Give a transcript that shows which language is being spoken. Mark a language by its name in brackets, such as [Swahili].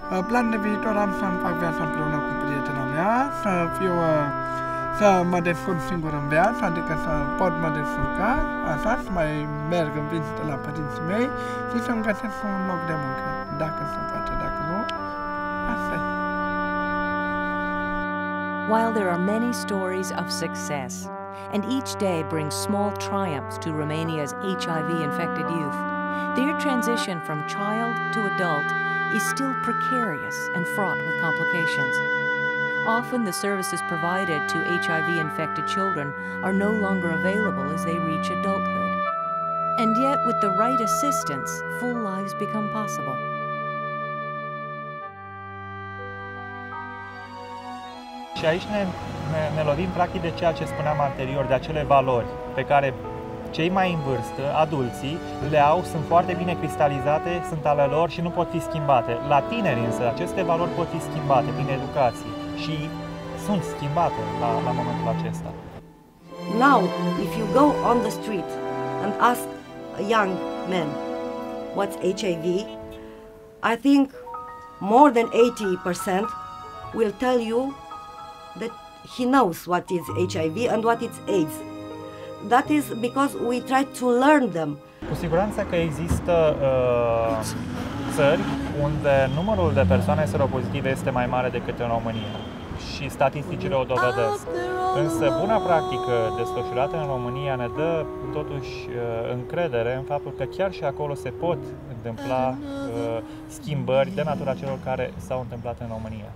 [Romanian] Plan de viitor am să-mi fac viața împreună cu prietena mea, să fiu, să mă descurc singur în viață, adică să pot mă descurca, așa, să mai merg în vizită la părinții mei și să-mi găsesc un loc de muncă, dacă se poate, dacă nu. [English] While there are many stories of success, and each day brings small triumphs to Romania's HIV-infected youth, their transition from child to adult is still precarious and fraught with complications. Often the services provided to HIV-infected children are no longer available as they reach adulthood. And yet, with the right assistance, full lives become possible. [Romanian] Și aici ne lovim practic de ceea ce spuneam anterior, de acele valori pe care cei mai în vârstă, adulții, le au, sunt foarte bine cristalizate, sunt ale lor și nu pot fi schimbate. La tineri însă, aceste valori pot fi schimbate prin educație și sunt schimbate la momentul acesta. [English] Now, if you go on the street and ask a young man what's HIV, I think more than 80% will tell you that he knows what is HIV and what is AIDS. That is because we try to learn them. [Romanian] Cu siguranță că există țări unde numărul de persoane seropozitive este mai mare decât în România și statisticile o dovedesc. Însă buna practică desfășurată în România ne dă totuși încredere în faptul că chiar și acolo se pot întâmpla schimbări de natura celor care s-au întâmplat în România.